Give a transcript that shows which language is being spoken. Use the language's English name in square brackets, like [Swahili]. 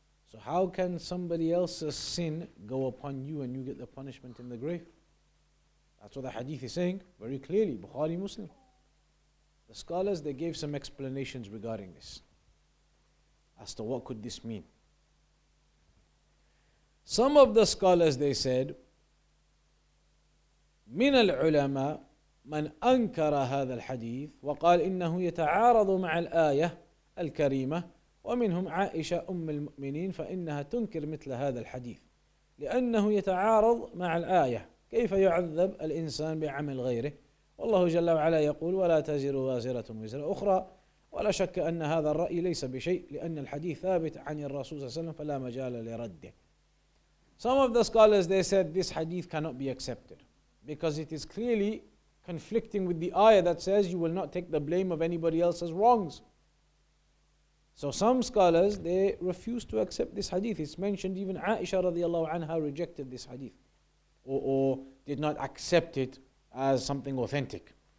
[English] So how can somebody else's sin go upon you and you get the punishment in the grave? That's what the hadith is saying very clearly, Bukhari Muslim. The scholars, they gave some explanations regarding this as to what could this mean. Some of the scholars, they said, [Arabic] من العلماء من أنكر هذا الحديث وقال إنه يتعارض مع الآية الكريمة ومنهم عائشة أم المؤمنين فإنها تنكر مثل هذا الحديث لأنه يتعارض مع الآية كيف يعذب الإنسان بعمل غيره والله جل وعلا يقول ولا تزر وازرة وزر أخرى ولا شك أن هذا الرأي ليس بشيء لأن الحديث ثابت عن الرسول صلى الله عليه وسلم فلا مجال لرده. [English] Some of the scholars, they said this hadith cannot be accepted because it is clearly conflicting with the ayah that says you will not take the blame of anybody else's wrongs. So some scholars, they refuse to accept this hadith. It's mentioned even Aisha radiallahu anha rejected this hadith or did not accept it as something authentic.